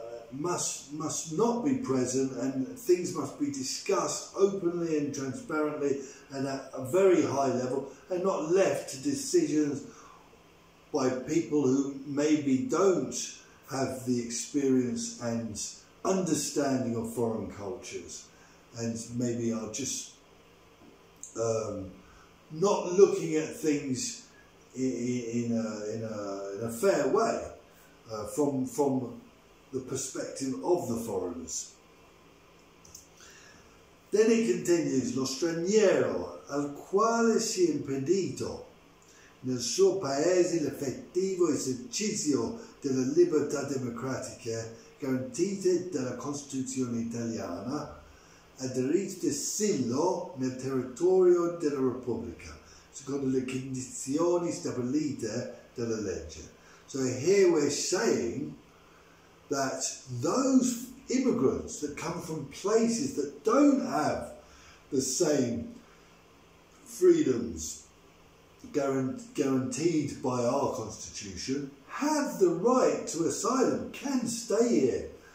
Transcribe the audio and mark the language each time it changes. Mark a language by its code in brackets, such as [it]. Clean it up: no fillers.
[en] must not be present, and things must be discussed openly and transparently and at a very high level, and not left to decisions by people who maybe don't have the experience and understanding of foreign cultures, and maybe are just not looking at things in a fair way from the perspective of the foreigners. Then he continues, [it] lo straniero al quale si è impedito nel suo paese l'effettivo esercizio della libertà democratica garantita dalla Costituzione italiana ha diritto di asilo nel territorio della Repubblica secondo le condizioni stabilite dalla legge. [en] So here we're saying that those immigrants that come from places that don't have the same freedoms guaranteed by our constitution have the right to asylum, can stay here.